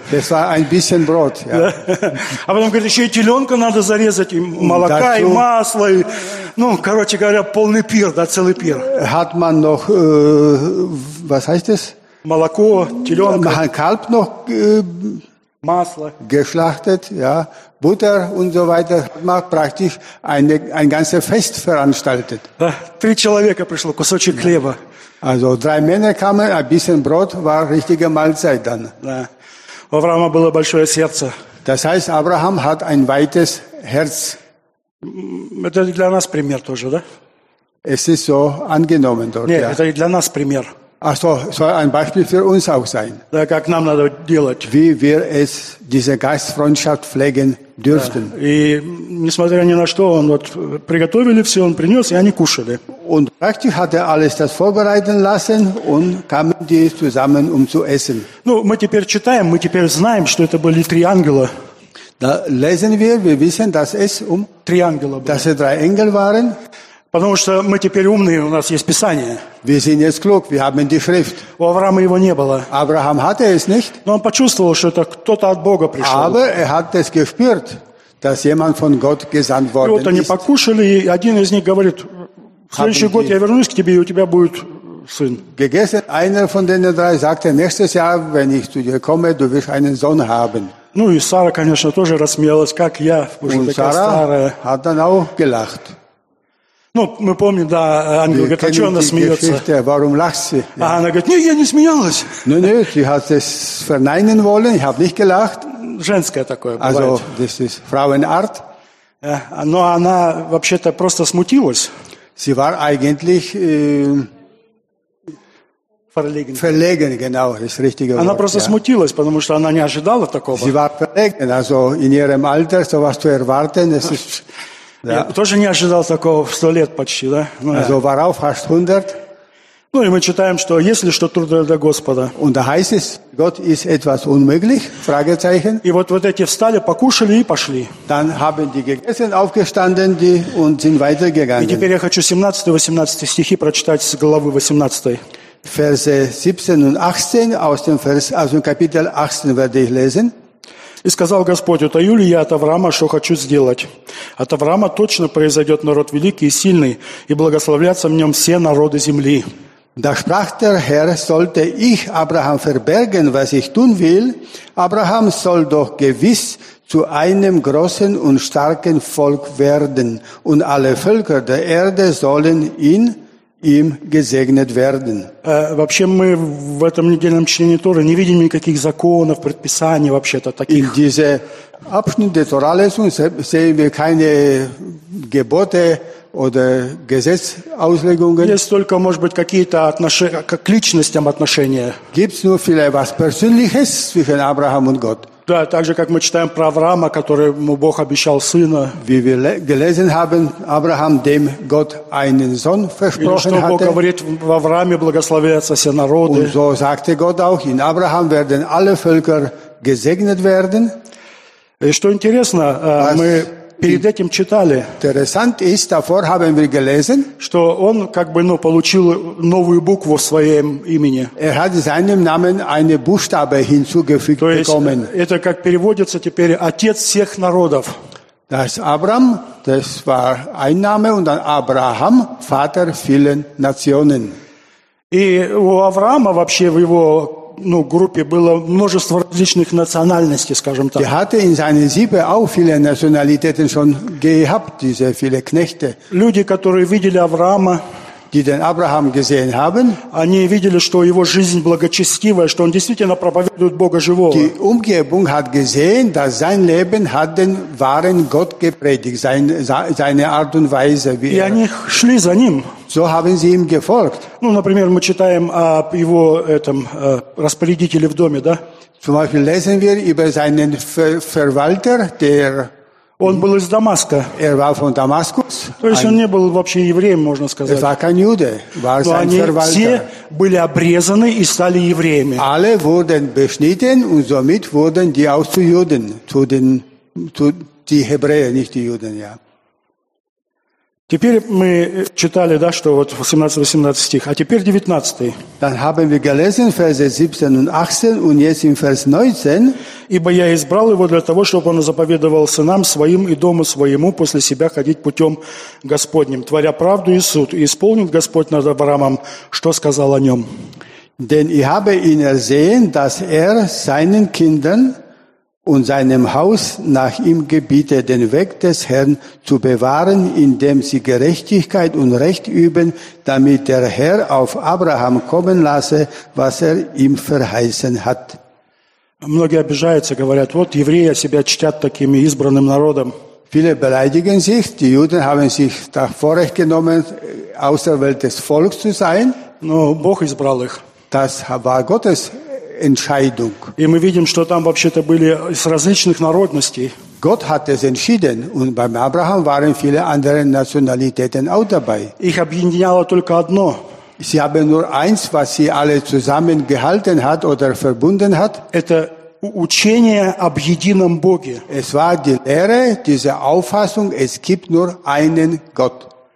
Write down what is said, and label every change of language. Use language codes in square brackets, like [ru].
[de] Das war ein bisschen Brot, ja. [ru] А потом говорит, еще и теленка надо зарезать, и молока, [de] und dazu, [ru] и масло. И, ну, короче говоря, полный пир, да, целый пир. [de] Hat man noch, was heißt es? [ru] Молоко, теленка. [de] Man hat Kalb noch [ru] масло. [de] Geschlachtet, ja. Butter und so weiter. Hat man praktisch ein ganzes Fest veranstaltet. [ru] Да, 3 человека пришло, кусочек ja. хлеба. [de] Also, 3 Männer kamen, ein bisschen Brot war richtige Mahlzeit dann. [ru] Да. У Авраама было большое сердце. [de] Das heißt, Abraham hat ein weites Herz. [ru] Это для нас пример тоже, да? [de] Es ist so angenommen dort, [ru] Нет, [de] ja. [ru] Это для нас пример. [de] Also, soll ein Beispiel für uns auch sein. [ru] Да, как нам надо делать. [de] Wie wir es, diese Gastfreundschaft pflegen dürften. [ru] Да. И, несмотря ни на что, он вот приготовили все, он принес, и они кушали. [de] Und praktisch hat alles das vorbereiten lassen und kamen die zusammen, zu essen. [ru] Ну, мы теперь читаем, мы теперь знаем, что это были 3 ангела. [de] Da lesen wir wissen, dass es [ru] 3 ангела были. [de] Dass es 3 Engel waren. [ru] Потому что мы теперь умные, у нас есть Писание. [de] Wir sind jetzt klug, wir haben die Schrift. [ru] У Авраама его не было. [de] Abraham hatte es nicht. [ru] Но он почувствовал, что это кто-то от Бога пришел. [de] Aber hat es gespürt, dass jemand von Gott gesandt worden ist. [ru] И вот они покушали, и один из них говорит, в следующий год я вернусь к тебе, и у тебя будет сын. [de] Gegessen, einer von den 3 sagte, nächstes Jahr, wenn ich zu dir komme, du wirst einen Sohn haben. [ru] Ну и Сара, конечно, тоже рассмеялась, как я, уже такая старая. [de] Und Sarah hat dann auch gelacht. [ru] Ну, мы помним, да, ангел говорит, а что она смеется? [de] Warum lacht sie? Ja. [ru] А она говорит, нет, я не смеялась. [de] Нет, sie hat es verneinen wollen, ich habe nicht gelacht. [ru] Женское такое бывает. [de] Also, das ist Frauenart. [ru] Ja, но она вообще-то просто смутилась. [de] Sie war eigentlich verlegen. Verlegen, genau, das richtige [ru] она [de] Wort. [ru] Она просто [de] ja. [ru] смутилась, потому что она не ожидала такого. [de] Sie war verlegen, also in ihrem Alter, so was zu erwarten, es ist... [ru] Да. Я тоже не ожидал такого в 100 лет почти, да? [de] Ну, also, [ru] да. [de] War auch fast 100. [ru] Ну и мы читаем, что если что трудно для Господа. [de] Und da heißt es, Gott ist etwas unmöglich? Fragezeichen. [ru] И вот эти встали, покушали и пошли. [de] Dann haben die gegessen, aufgestanden die und sind weitergegangen. [ru] И теперь я хочу 17-18 стихи прочитать с главы 18. [de] Verse 17 und 18 aus dem Vers, also Kapitel 18 werde ich lesen. [ru] И сказал Господь, утаю ли я от Авраама, что хочу сделать? От Авраама точно произойдет народ великий и сильный, и благословлятся в нем все народы земли. [de] Da sprach der Herr, sollte ich Abraham verbergen, was ich tun will, Abraham soll doch gewiss zu einem großen und starken Volk werden, und alle Völker der Erde sollen ihn им gesegnet werden. [ru] Вообще мы в этом недельном чтении Торы не видим никаких законов, предписаний вообще-то таких. [de] In diese Abschnitt des Oralesung sehen wir keine Gebote oder Gesetzauslegungen. [ru] Есть только, может быть, какие-то отношения, к личностям отношения. [de] Gibt's nur vielleicht was Persönliches zwischen Abraham und Gott? [ru] Да, так же, как мы читаем про Авраама, которому Бог обещал сына. [de] Wie wir gelesen haben, Abraham, dem Gott einen Sohn versprochen hatte. [ru] И что Бог говорит, в Аврааме благословятся все народы. [de] Und so sagte Gott auch, in Abraham werden alle Völker gesegnet werden. [ru] И что интересно, мы перед этим читали. [de] Interessant ist, davor haben wir gelesen, [ru] что он как бы, ну, получил новую букву в своем имени. [de] Er hat seinem Namen eine Buchstabe hinzugefügt bekommen. [ru] Это как переводится теперь «отец всех народов». [de] Das Abraham, das war ein Name, und dann Abraham, Vater vielen Nationen. [ru] И у Авраама вообще в его, ну, группе было множество различных национальностей, скажем так. [de] Er hatte in seiner Sippe auch viele Nationalitäten schon gehabt, diese viele Knechte. [ru] Люди, которые видели Авраама, [de] die den Abraham gesehen haben, [ru] они видели, что его жизнь благочестивая, что он действительно проповедует Бога живого. [de] Die Umgebung hat gesehen, dass sein Leben hat den wahren Gott gepredigt, seine Art und Weise. [ru] Wie И они шли за ним. [de] So haben sie ihm gefolgt. [ru] Ну, например, мы читаем о его этом распорядителе в доме, да? [de] Zum Beispiel lesen wir über seinen Verwalter, der [ru] Он был из Дамаска. [de] Er war von Damaskus. [ru] То есть он не был вообще евреем, можно сказать. [de] Er war kein Jude, war [ru] Но они все были обрезаны и стали евреями. [de] Alle wurden beschnitten und somit wurden die auch zu Juden, zu den, zu die Hebräer, nicht die Juden, ja. [ru] Теперь мы читали, да, что вот 17-18 стих, а теперь 19. [de] Dann haben wir gelesen, Verse 17 und 18, und jetzt in Vers 19. [ru] Ибо я избрал его для того, чтобы он заповедовал сынам своим и дому своему после себя ходить путем Господним, творя правду и суд, и исполнит Господь над Авраамом, что сказал о нем. [de] Denn ich habe ihn ersehen, dass seinen Kindern und seinem Haus nach ihm gebiete, den Weg des Herrn zu bewahren, indem sie Gerechtigkeit und Recht üben, damit der Herr auf Abraham kommen lasse, was ihm verheißen hat. [ru] Многие обижаются, говорят, вот евреи себя чтят такими избранным народом. [de] Viele beleidigen sich, die Juden haben sich das Vorrecht genommen, auserwähltes Volk zu sein. [ru] Но Бог избрал их. [de] Das war Gottes Entscheidung. [ru] И мы видим, что там вообще-то были из различных народностей. [de] Gott hat es entschieden, und beim Abraham waren viele andere Nationalitäten auch dabei. [ru] Их объединяло только одно. [de] Sie haben nur eins, was sie alle zusammengehalten hat oder verbunden hat. [ru] Это учение об едином Боге. [de] Es war die Lehre, diese Auffassung, es gibt nur einen Gott.